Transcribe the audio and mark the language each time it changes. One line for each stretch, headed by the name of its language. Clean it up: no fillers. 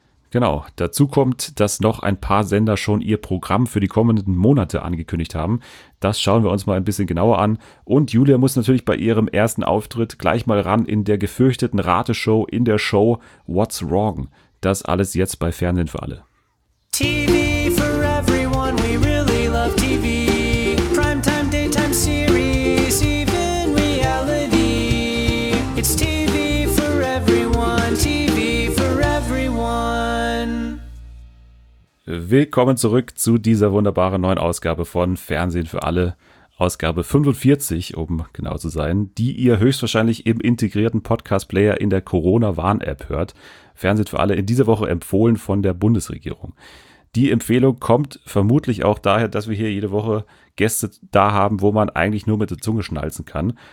German: Genau, dazu kommt, dass noch ein paar Sender schon ihr Programm für die kommenden Monate angekündigt haben. Das schauen wir uns mal ein bisschen genauer an. Und Julia muss natürlich bei ihrem ersten Auftritt gleich mal ran in der gefürchteten Rateshow, in der Show What's Wrong. Das alles jetzt bei Fernsehen für alle.
English: TV for everyone, we really love TV. Primetime, daytime series, even reality. It's TV for everyone, TV for everyone.
German: Willkommen zurück zu dieser wunderbaren neuen Ausgabe von Fernsehen für alle. Ausgabe 45, um genau zu sein, die ihr höchstwahrscheinlich im integrierten Podcast-Player in der Corona-Warn-App hört. Fernsehen für alle in dieser Woche empfohlen von der Bundesregierung. Die Empfehlung kommt vermutlich auch daher, dass wir hier jede Woche Gäste da haben, wo man eigentlich nur mit der Zunge schnalzen kann.